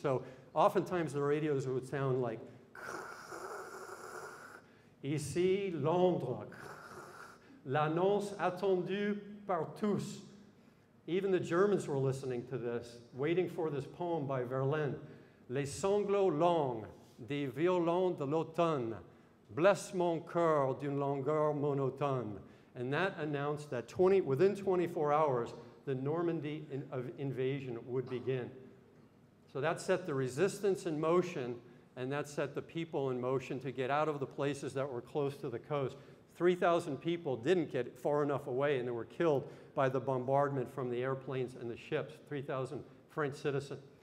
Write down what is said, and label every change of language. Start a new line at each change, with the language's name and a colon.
English: So oftentimes the radios would sound like,
French: ici Londres, l'annonce attendue par tous.
English: Even the Germans were listening to this, waiting for this poem by Verlaine.
French: Les sanglots longs des violons de l'automne blessent mon cœur d'une longueur monotone.
English: And that announced that within 24 hours, the Normandy invasion would begin. So that set the resistance in motion, and that set the people in motion to get out of the places that were close to the coast. 3,000 people didn't get far enough away, and they were killed by the bombardment from the airplanes and the ships, 3,000 French citizens.